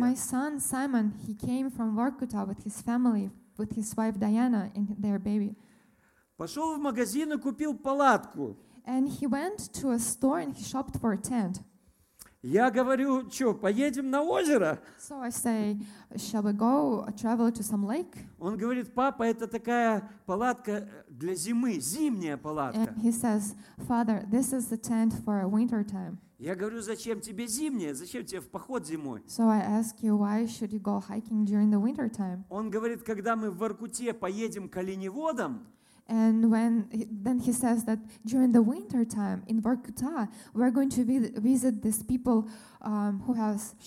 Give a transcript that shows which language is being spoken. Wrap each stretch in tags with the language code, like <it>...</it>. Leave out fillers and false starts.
<en>My son Simon, he came from Воркута with his family, with his wife Diana and their baby.</en> <ru>Пошел в магазин и купил палатку.</ru> <en>And he went to a store and he shopped for a tent.</en> <ru>Я говорю: что, поедем на озеро?</ru> <en>So I say, shall we go travel to some lake?</en> <ru>Он говорит: папа, это такая палатка для зимы, зимняя палатка.</ru> <en>And he says, father, this is the tent for a winter time.</en> <ru>Я говорю: зачем тебе зимняя? Зачем тебе в поход зимой?</ru> <en>So I ask you, why should you go hiking during the winter time?</en> <ru>Он говорит: когда мы в Воркуте поедем к оленеводам.</ru> <en>And then he says that during the winter time in Воркута we're going to visit these people who have</en>